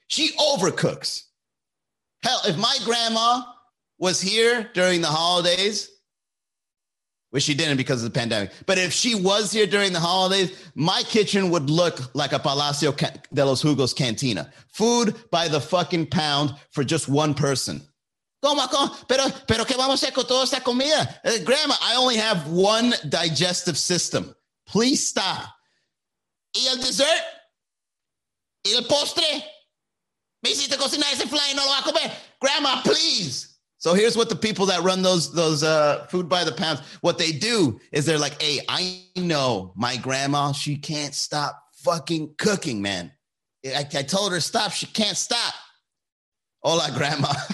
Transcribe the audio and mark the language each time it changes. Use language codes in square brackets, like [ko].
[en] She overcooks. Hell, if my grandma was here during the holidays, which she didn't because of the pandemic, but if she was here during the holidays, my kitchen would look like a Palacio de los Jugos cantina. Food by the fucking pound for just one person. [es] Pero qué vamos a hacer con toda esta comida? [en] Grandma, I only have one digestive system. Please stop. [es] ¿Y el dessert? ¿Y el postre? ¿Me hiciste cocinar ese flan y no lo va a comer? [en] Grandma, please. So here's what the people that run those food by the pounds, what they do is they're like, hey, I know my grandma, she can't stop fucking cooking, man. I told her stop. She can't stop. Hola, grandma.